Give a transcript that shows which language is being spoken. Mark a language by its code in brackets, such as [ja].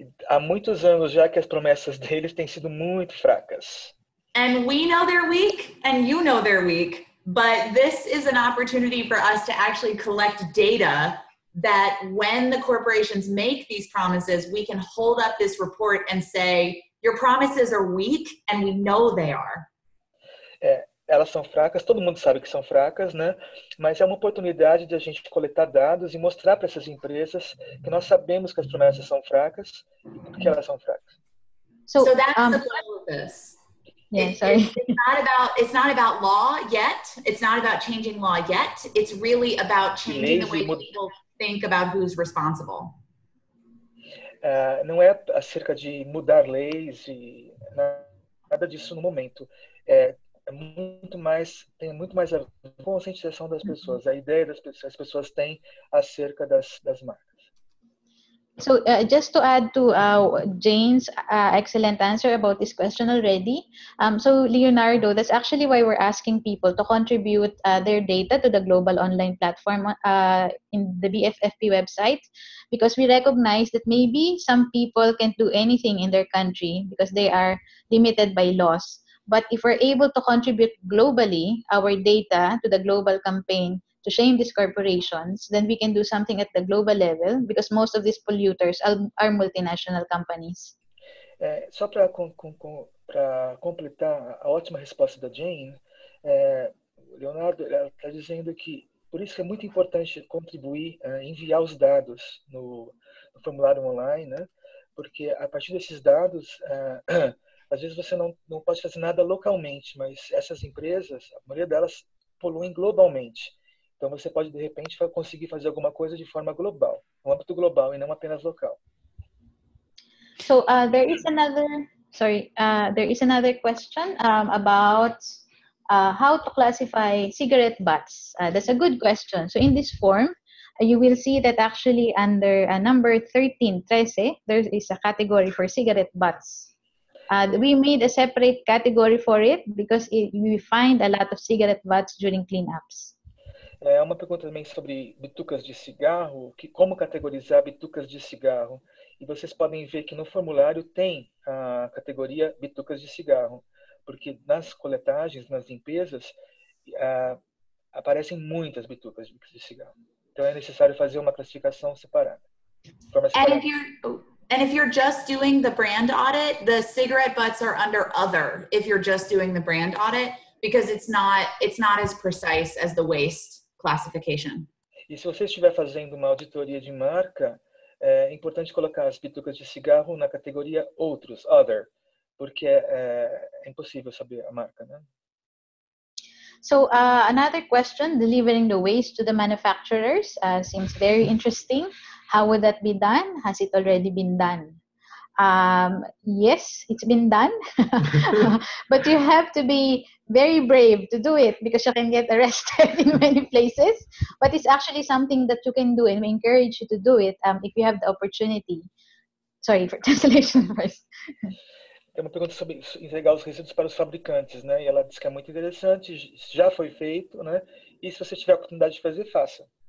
[pt] Há muitos anos já que as promessas deles têm sido muito fracas. [en] And we know they're weak, and you know they're weak, but this is an opportunity for us to actually collect data that when the corporations make these promises, we can hold up this report and say, your promises are weak, and we know they are. Elas são fracas, todo mundo sabe que são fracas, né? Mas é uma oportunidade de a gente coletar dados e mostrar para essas empresas que nós sabemos que as promessas são fracas e porque elas são fracas. So that's the goal of this. Yeah, sorry. It's not about law yet. It's not about changing law yet. It's really about changing the way people think about who's responsible. [pt] Não é acerca de mudar leis e nada disso no momento. Tem muito mais a conscientização das pessoas, a ideia das pessoas, as pessoas têm acerca das marcas. [en] So, just to add to Jane's excellent answer about this question already, so Leonardo, that's actually why we're asking people to contribute their data to the global online platform in the BFFP website, because we recognize that maybe some people can't do anything in their country because they are limited by laws. But if we're able to contribute globally our data to the global campaign to shame these corporations, then we can do something at the global level because most of these polluters are multinational companies. [pt] Só para completar a ótima resposta da Jane, Leonardo está dizendo que por isso que é muito importante contribuir, enviar os dados no formulário online, né? Porque a partir desses dados... Às vezes você não pode fazer nada localmente, mas essas empresas, a maioria delas, poluem globalmente. Então você pode, de repente, conseguir fazer alguma coisa de forma global, no âmbito global e não apenas local. [en] So there is another, sorry, there is another question about how to classify cigarette butts. That's a good question. So in this form, you will see that actually under number 13, there is a category for cigarette butts. We made a separate category for it because it, we find a lot of cigarette butts during cleanups. [pt] É uma pergunta também sobre bitucas de cigarro, que como categorizar bitucas de cigarro. E vocês podem ver que no formulário tem a categoria bitucas de cigarro, porque nas coletagens, nas limpezas, aparecem muitas bitucas de cigarro. Então é necessário fazer uma classificação separada. [en] And if you're just doing the brand audit, the cigarette butts are under other, if you're just doing the brand audit, because it's not as precise as the waste classification. [pt] E se você estiver fazendo uma auditoria de marca, é importante colocar as bitucas de cigarro na categoria outros, other, porque é impossível saber a marca, né? [en] So another question, delivering the waste to the manufacturers, seems very interesting. How would that be done? Has it already been done? Yes, it's been done. But you have to be very brave to do it because you can get arrested in many places. But it's actually something that you can do, and we encourage you to do it if you have the opportunity. Sorry for translation first. [pt] Tem uma pergunta sobre entregar os resíduos para os fabricantes, né? E ela diz que é muito interessante, já foi feito, né? E se você tiver a oportunidade de fazer, faça.